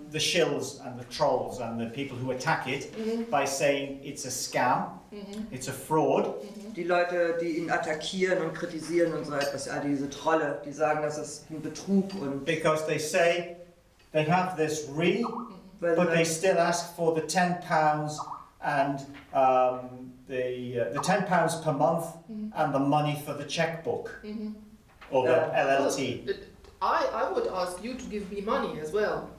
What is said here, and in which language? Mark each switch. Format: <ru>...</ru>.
<en>The shills and the trolls and the people who attack it, mm-hmm, by saying it's a scam, mm-hmm, it's a fraud.</en> <de>Die Leute, die ihn attackieren und kritisieren und so etwas, ja, diese Trolle, die sagen, das ist ein Betrug. Und</de> <en>because they say they have this re, mm-hmm, but they still ask for the £10 and the £10 per month, mm-hmm, and the money for the checkbook. Mm-hmm. Or the LLT. I would ask you to give me money as well.</en>